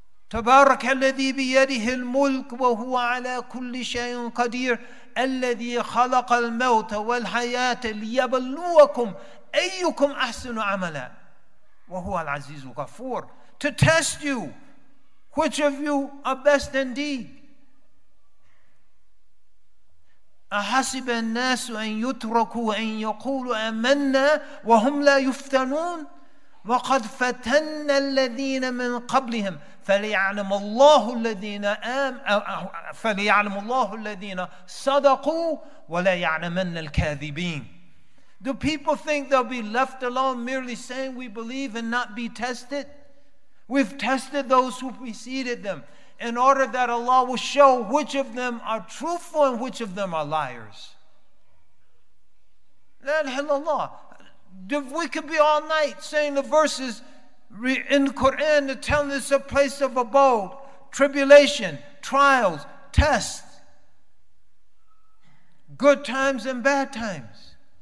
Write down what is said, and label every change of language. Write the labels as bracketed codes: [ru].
[ar] تبارك الذي بيده الملك وهو على كل شيء قدير الذي خلق الموت والحياة ليبلوكم أيكم أحسن عملا وهو العزيز الغفور. [en] To test you, which of you are best indeed. [ar] أحسب الناس أن يتركوا أن يقولوا آمنا وهم لا يفتنون وقد فتن الذين من قبلهم فليعلم الله الذين فليعلم الله الذين صدقوا ولا يعلمن الكاذبين. [en] Do people think they'll be left alone merely saying we believe and not be tested? We've tested those who preceded them in order that Allah will show which of them are truthful and which of them are liars. [ar] La ilaha illallah. [en] We could be all night saying the verses in the Quran to tell us a place of abode, tribulation, trials, tests, good times and bad times.